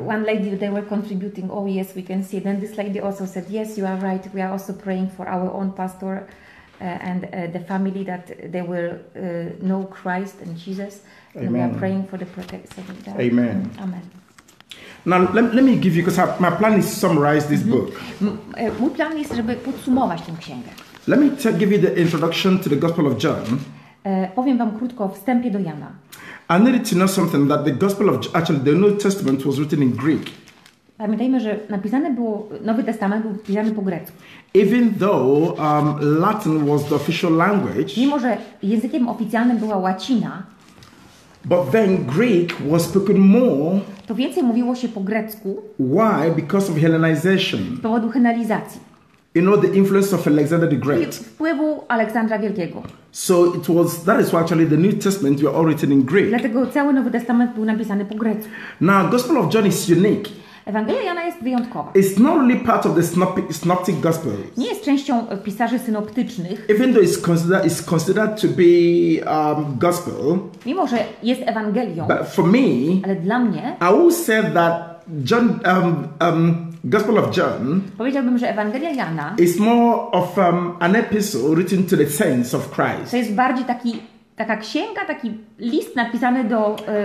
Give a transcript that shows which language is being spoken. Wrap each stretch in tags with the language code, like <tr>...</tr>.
<en>One lady, they were contributing. Oh, yes, we can see. Then this lady also said, yes, you are right. We are also praying for our own pastor and the family that they will know Christ and Jesus. And amen. We are praying for the protection. Amen. Amen. Now let me give you, because my plan is to summarize this book.</en> <pl>Mój plan jest, żeby podsumować tę księgę.</pl> <en>Let me give you the introduction to the Gospel of John.</en> <pl>Powiem wam krótko o wstępie do Jana.</pl> <en>I needed to know something that the Gospel of John, actually the New Testament was written in Greek.</en> <pl>Pamiętajmy, że napisane było, Nowy Testament był napisany po grecku.</pl> <en>Even though Latin was the official language.</en> <pl>Mimo że językiem oficjalnym była łacina.</pl> <en>But then Greek was spoken more.</en> <pl>To więcej mówiło się po grecku.</pl> <en>Why? Because of Hellenization.</en> <pl>Z powodu helenizacji.</pl> <en>You know the influence of Alexander the Great.</en> <pl>Wpływu Aleksandra Wielkiego.</pl> <en>So it was, that is why actually the New Testament were all written in Greek.</en> <pl>Dlatego cały Nowy Testament był napisany po grecku.</pl> <en>Now Gospel of John is unique.</en> <pl>Ewangelia Jana jest wyjątkowa.</pl> <en>It's not really part of the synoptic gospels.</en> <pl>Nie jest częścią pisarzy synoptycznych.</pl> <en>Even though it's considered to be gospel.</en> <pl>Mimo że jest ewangelią.</pl> <en>But for me,</en> <pl>ale dla mnie,</pl> <en>I would say that John, Gospel of John.</en> <pl>Powiedziałbym, że Ewangelia Jana.</pl> <en>Is more of an epistle written to the saints of Christ.</en> <pl>To jest bardziej taka księga, taki list napisany do.</pl>